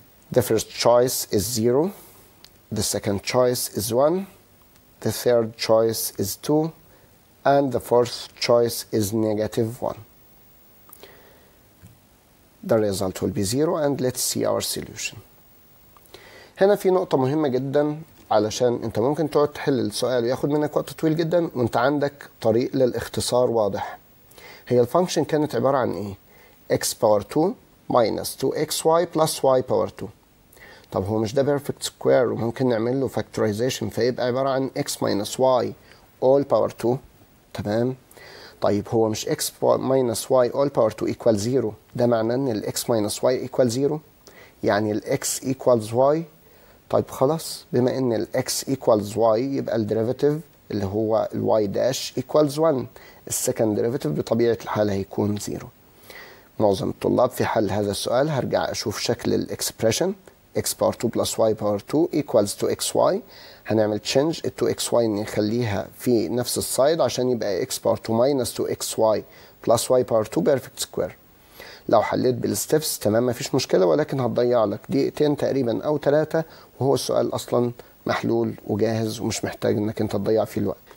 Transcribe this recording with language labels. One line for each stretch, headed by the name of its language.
English: The first choice is 0, the second choice is 1, the third choice is 2, and the fourth choice is negative 1. The result will be 0, and let's see our solution.
Arabic: هنا في نقطة مهمة جدا علشان انت ممكن تقعد تحل السؤال وياخد منك وقت طويل جدا وانت عندك طريق للاختصار واضح. هي الفانكشن كانت عبارة عن ايه؟
English: x power 2 minus 2xy plus y power 2.
Arabic: طب هو مش ده
English: perfect square
Arabic: وممكن نعمل له factorization فيبقى عبارة عن
English: x minus y all power 2.
Arabic: تمام؟ طيب هو مش
English: x minus y all power 2 equal 0،
Arabic: ده معناه ان ال
English: x minus y equal 0
Arabic: يعني ال
English: x equals y.
Arabic: طيب خلاص، بما ان ال
English: x equals y
Arabic: يبقى ال derivative اللي هو ال
English: y dash equals 1،
Arabic: ال
English: second derivative
Arabic: بطبيعة الحال هيكون 0. معظم الطلاب في حل هذا السؤال هرجع اشوف شكل ال expression
English: x power 2 plus y power 2 equals 2xy.
Arabic: هنعمل
English: change ال 2xy
Arabic: نخليها في نفس السايد عشان يبقى
English: x power 2 minus 2xy plus y power 2 perfect square.
Arabic: لو حليت بالستيبس تمام مفيش مشكلة، ولكن هتضيع لك دقيقتين تقريبا أو ثلاثة، وهو السؤال أصلا محلول وجاهز ومش محتاج إنك أنت تضيع فيه الوقت.